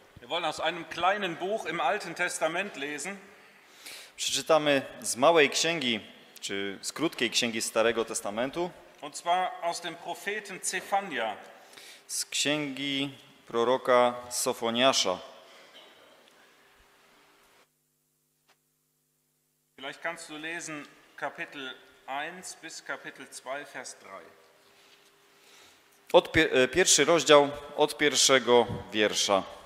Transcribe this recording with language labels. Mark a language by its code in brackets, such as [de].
[de] wollen aus einem kleinen Buch im Alten Testament lesen. [pl] Przeczytamy z małej księgi, czy z krótkiej księgi Starego Testamentu. [de] Und zwar aus dem Propheten Zephania. [pl] Z księgi proroka Sofoniasza. [de] Vielleicht kannst du lesen Kapitel 1 bis Kapitel 2 Vers 3. [pl] Pierwszy rozdział od pierwszego wiersza.